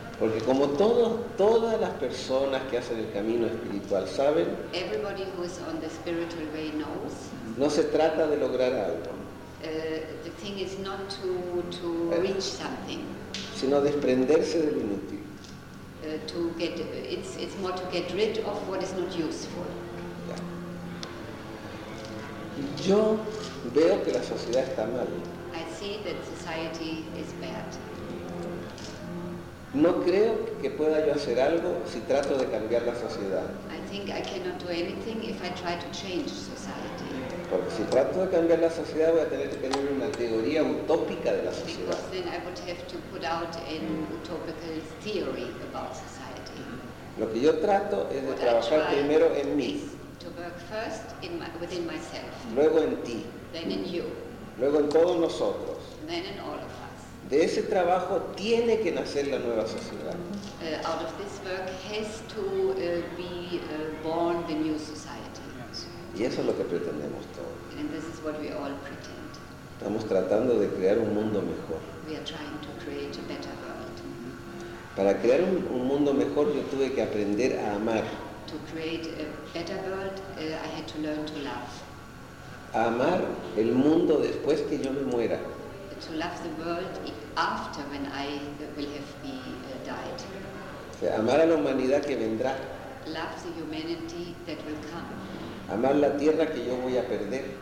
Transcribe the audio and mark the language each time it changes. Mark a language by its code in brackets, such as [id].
[es] Porque como todas las personas que hacen el camino espiritual saben, [en] everybody who is on the spiritual way knows, [es] no se trata de lograr algo, [en] the thing is not to reach something, [es] sino desprenderse de lo inútil. [en] It's more to get rid of what is not useful. [es] Ya. Yo veo que la sociedad está mal. [en] I see that society is bad. [es] No creo que pueda yo hacer algo si trato de cambiar la sociedad. [en] I think I cannot do anything if I try to change society. [es] Porque si trato de cambiar la sociedad voy a tener que tener una teoría utópica de la sociedad. [en] Because then I would have to put out an utopical theory about society. [es] Lo que yo trato es de trabajar primero en mí. [en] To work first in within myself. [es] Luego en ti. [en] Then in you. [es] Luego en todos nosotros. [en] Then in all of us. [es] De ese trabajo tiene que nacer la nueva sociedad. [en] Out of this work has to be born the new society. [es] Y eso es lo que pretendemos todos. [en] And this is what we all pretend. [es] Estamos tratando de crear un mundo mejor. [en] We are trying to create a better world. [es] Para crear un mundo mejor yo tuve que aprender a amar. [en] To create a better world, I had to learn to love. [es] A amar el mundo después que yo me muera. [en] To love the world after when I will have died. [es] O sea, amar a la humanidad que vendrá. [en] Love the humanity that will come. [es] Amar la tierra que yo voy a perder.